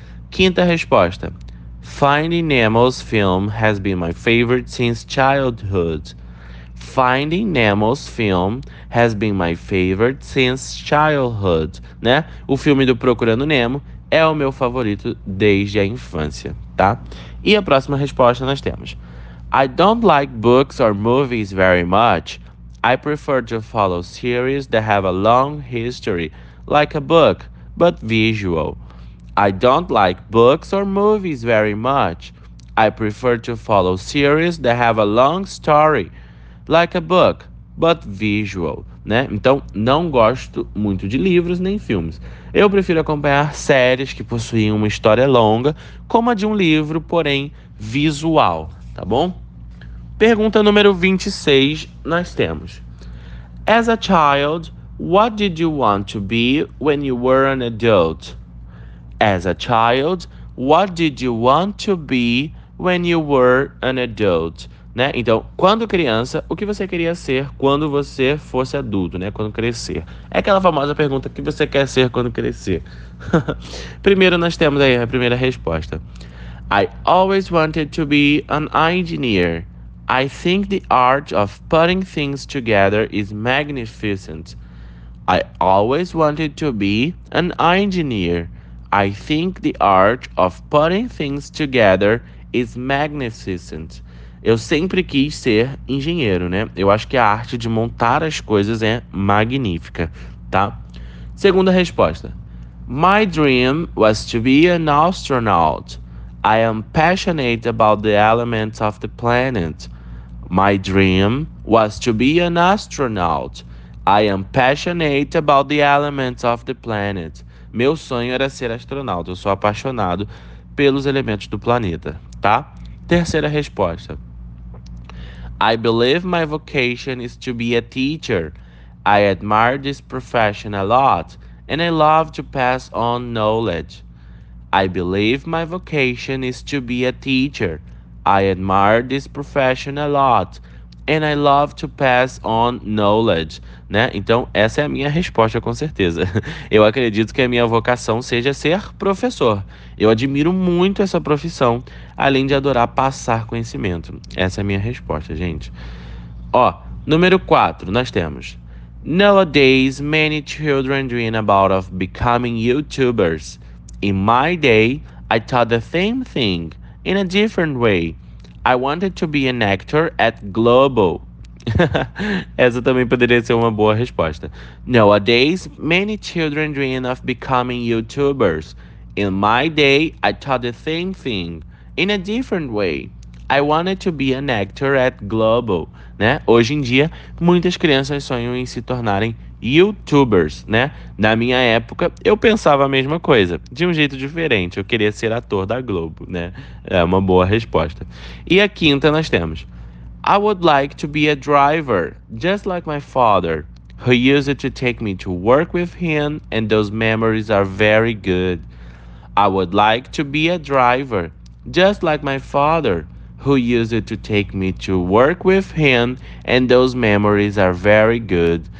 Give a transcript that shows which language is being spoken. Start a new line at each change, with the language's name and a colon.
Portuguese: Quinta resposta.
English: Finding Nemo's film has been my favorite since childhood. Finding Nemo's film has been my favorite since childhood, né?
Portuguese: O filme do Procurando Nemo é o meu favorito desde a infância, tá? E a próxima resposta nós temos.
English: I don't like books or movies very much. I prefer to follow series that have a long history, like a book, but visual. I don't like books or movies very much. I prefer to follow series that have a long story, like a book, but visual, né?
Portuguese: Então, não gosto muito de livros nem filmes. Eu prefiro acompanhar séries que possuem uma história longa, como a de um livro, porém visual, tá bom? Pergunta número 26, nós temos.
English: As a child, what did you want to be when you were an adult? As a child, what did you want to be when you were an adult?
Portuguese: Né? Então, quando criança, o que você queria ser quando você fosse adulto, né? Quando crescer? É aquela famosa pergunta, o que você quer ser quando crescer? Primeiro, nós temos aí a primeira resposta.
English: I always wanted to be an engineer. I think the art of putting things together is magnificent. I always wanted to be an engineer. I think the art of putting things together is magnificent.
Portuguese: Eu sempre quis ser engenheiro, né? Eu acho que a arte de montar as coisas é magnífica, tá? Segunda resposta.
English: My dream was to be an astronaut. I am passionate about the elements of the planet. My dream was to be an astronaut. I am passionate about the elements of the planet.
Portuguese: Meu sonho era ser astronauta. Eu sou apaixonado pelos elementos do planeta, tá? Terceira resposta.
English: I believe my vocation is to be a teacher. I admire this profession a lot, and I love to pass on knowledge. I believe my vocation is to be a teacher. I admire this profession a lot, and I love to pass on knowledge.
Portuguese: Né? Então, essa é a minha resposta, com certeza. Eu acredito que a minha vocação seja ser professor. Eu admiro muito essa profissão, além de adorar passar conhecimento. Essa é a minha resposta, gente. Ó, número 4, nós temos.
English: Nowadays, many children dream about of becoming YouTubers. In my day, I thought the same thing, in a different way. I wanted to be an actor at Global.
Portuguese: Essa também poderia ser uma boa resposta.
English: Nowadays, many children dream of becoming YouTubers. In my day, I thought the same thing, in a different way. I wanted to be an actor at Global. Né?
Portuguese: Hoje em dia, muitas crianças sonham em se tornarem YouTubers, né? Na minha época, eu pensava a mesma coisa, de um jeito diferente. Eu queria ser ator da Globo, né? É uma boa resposta. E a quinta nós temos.
English: I would like to be a driver, just like my father, who used to take me to work with him, and those memories are very good. I would like to be a driver, just like my father, who used to take me to work with him, and those memories are very good.